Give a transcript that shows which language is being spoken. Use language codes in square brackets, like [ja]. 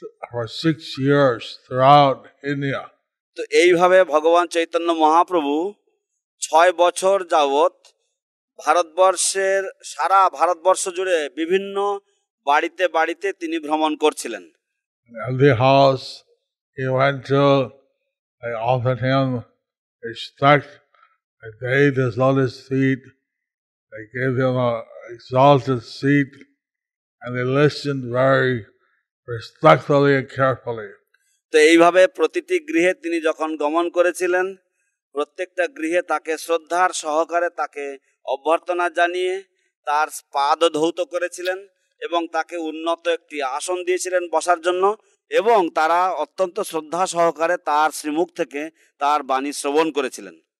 [en] for 6 years throughout India. [bn] তো এইভাবে ভগবান চৈতন্য মহাপ্রভু 6 বছর যাবত ভারতবর্ষের সারা ভারতবর্ষ জুড়ে বিভিন্ন বাড়িতে বাড়িতে তিনি ভ্রমণ করছিলেন. [en] In every house he went to, they offered him respect, they bathed his lotus feet, they gave him an exalted seat, and they listened very respectfully and carefully. [bn] তো এইভাবে প্রতিটি গৃহে তিনি যখন গমন করেছিলেন, প্রত্যেকটা গৃহে তাকে শ্রদ্ধার সহকারে তাকে অভ্যর্থনা জানিয়ে তার পাদ ধৌত করেছিলেন এবং তাকে উন্নত একটি আসন দিয়েছিলেন বসার জন্য, এবং তারা অত্যন্ত শ্রদ্ধা সহকারে তার শ্রীমুখ থেকে তার বাণী শ্রবণ করেছিলেন.